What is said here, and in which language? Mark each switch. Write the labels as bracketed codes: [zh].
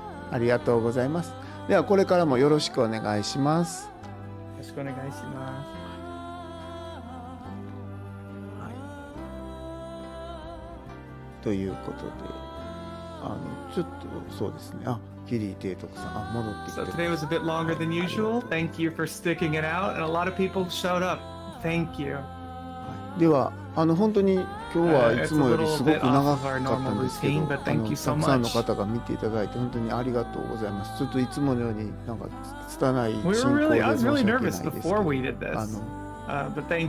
[ja] ありがとうございます。ではこれからもよろしくお願いします。よろしくお願いします。はい、ということで。あのちょっとそうですね。あ、ギリーデイトクさん、あ、戻ってきて。 [en] So today was a bit longer than usual. Thank you for sticking it out, and a lot of people showed up. Thank you.、 [ja] はい、では、あの本当に今日はいつもよりすごく長かったんですけど、あのたくさんの方が見ていただいて本当にありがとうございます。ちょっといつものようになんか拙い進行で申し訳ないですけど、 [en] we really, あの、but thank you.